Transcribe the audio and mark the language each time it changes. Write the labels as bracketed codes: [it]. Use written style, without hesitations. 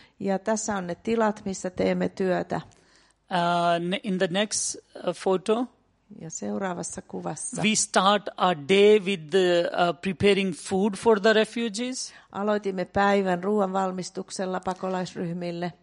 [fi] Ja tässä on ne tilat, missä teemme työtä. [en] In the next photo. [fi] Ja seuraavassa kuvassa. [en] We start our day with preparing food for the refugees. [fi] Aloitimme päivän ruoan valmistuksella pakolaisryhmille.